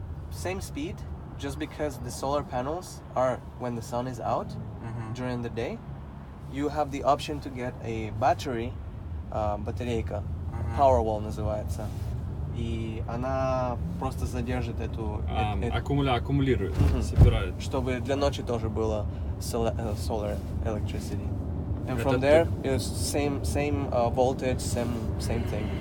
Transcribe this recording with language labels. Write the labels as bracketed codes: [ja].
[en] Same speed, just because the solar panels are when the sun is out during the day. You have the option to get a battery. [ru] Батарейка, Powerwall называется, и она просто задержит эту... Аккумулирует, собирает. Чтобы для ночи тоже было [en] solar electricity. And [ru] это [en] from there, it's same voltage, same thing.